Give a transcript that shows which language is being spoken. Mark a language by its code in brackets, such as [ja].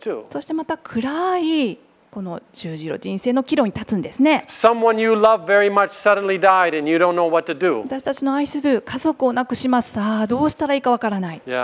[ja] そしてまた暗いこの十字路、人生の岐路に立つんですね。 [en] Someone you love very much suddenly died and you don't know what to do. [ja] 私たちの愛する家族を亡くします。さあどうしたらいいかわからない。